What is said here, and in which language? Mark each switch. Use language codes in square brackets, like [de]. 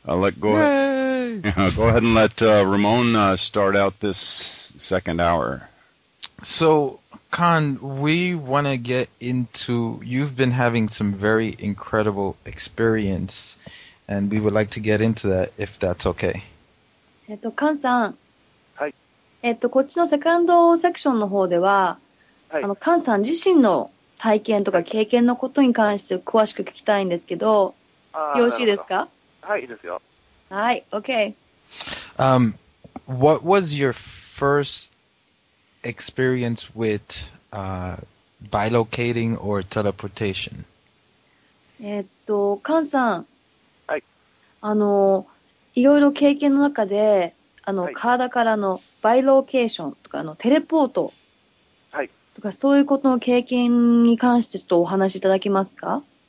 [en] Go ahead and let Ramon start out this second hour. So, Khan, we want to get into, you've been having some very incredible experience, and we would like to get into that, if that's okay. Khan-san. Hi. [ja] こっちのセカンドセクションの方では、カンさん自身の体験とか経験のことに関して詳しく聞きたいんですけど、よろしいですか？はい、いいですよ。はい、OK。 [en] What was your first experience with bilocating or teleportation? [ja] カンさん、はい。いろいろ経験の中で、はい、体からのバイロケーションとか、テレポート、そういうことの経験に関してちょっとお話しいただけますか？